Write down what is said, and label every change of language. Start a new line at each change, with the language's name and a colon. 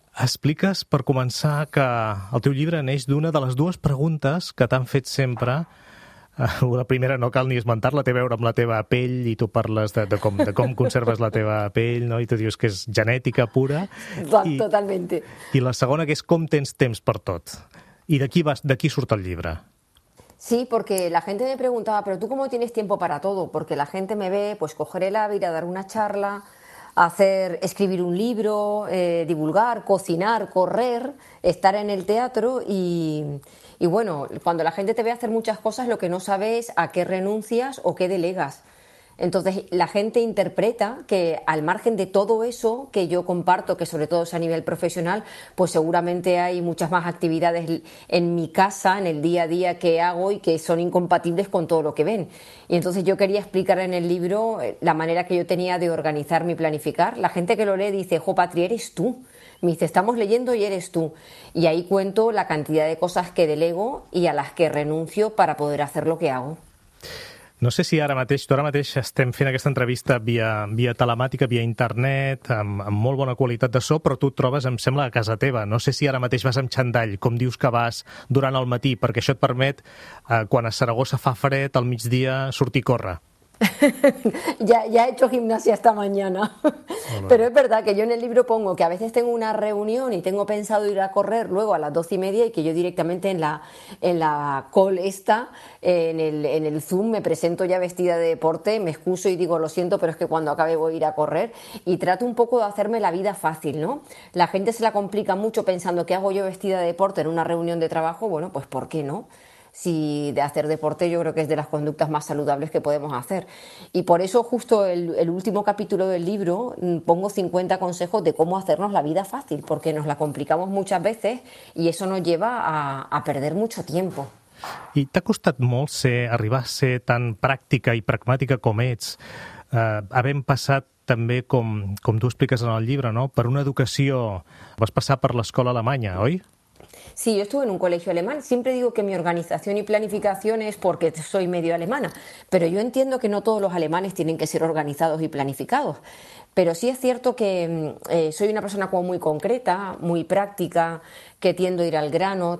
Catalan: Expliques, per començar, que el teu llibre neix d'una de les dues preguntes que t'han fet sempre. La primera no cal ni esmentar-la, té a veure amb la teva pell, i tu parles de com conserves la teva pell, no? I tu dius que és genètica pura. Totalment. I la segona, que és com tens temps per tot. I d'aquí surt el llibre.
Spanish: Sí, porque la gente me preguntaba, ¿pero tú cómo tienes tiempo para todo? Porque la gente me ve, pues coger el hábito, ir a dar una charla, hacer, escribir un libro, divulgar, cocinar, correr, estar en el teatro y bueno, cuando la gente te ve hacer muchas cosas, lo que no sabe es a qué renuncias o qué delegas. Entonces la gente interpreta que al margen de todo eso que yo comparto, que sobre todo es a nivel profesional, pues seguramente hay muchas más actividades en mi casa, en el día a día que hago y que son incompatibles con todo lo que ven. Y entonces yo quería explicar en el libro la manera que yo tenía de organizarme y planificar. La gente que lo lee dice, jo, Patri, eres tú. Me dice, estamos leyendo y eres tú. Y ahí cuento la cantidad de cosas que delego y a las que renuncio para poder hacer lo que hago.
Catalan: No sé si ara mateix estem fent aquesta entrevista via telemàtica, via internet, amb molt bona qualitat de so, però tu et trobes, em sembla, a casa teva. No sé si ara mateix vas amb xandall, com dius que vas durant el matí, perquè això et permet, quan a Saragossa fa fred, al migdia sortir a córrer.
Spanish: Ya he hecho gimnasia esta mañana. Hola. Pero es verdad que yo en el libro pongo que a veces tengo una reunión y tengo pensado ir a correr luego a las 12:30 y que yo directamente en la call esta, en el Zoom, me presento ya vestida de deporte, me excuso y digo lo siento, pero es que cuando acabe voy a ir a correr, y trato un poco de hacerme la vida fácil, ¿no? La gente se la complica mucho pensando qué hago yo vestida de deporte en una reunión de trabajo, bueno, pues ¿por qué no? Si de hacer deporte yo creo que es de las conductas más saludables que podemos hacer. Y por eso justo el último capítulo del libro pongo 50 consejos de cómo hacernos la vida fácil, porque nos la complicamos muchas veces y eso nos lleva a perder mucho tiempo.
Catalan: I t'ha costat molt arribar a ser tan pràctica i pragmàtica com ets, havent passat també, com tu expliques en el llibre, no? Per una educació, vas passar per l'escola alemanya, oi?
Spanish: Sí, yo estuve en un colegio alemán. Siempre digo que mi organización y planificación es porque soy medio alemana, pero yo entiendo que no todos los alemanes tienen que ser organizados y planificados. Pero sí es cierto que soy una persona como muy concreta, muy práctica, que tiendo a ir al grano.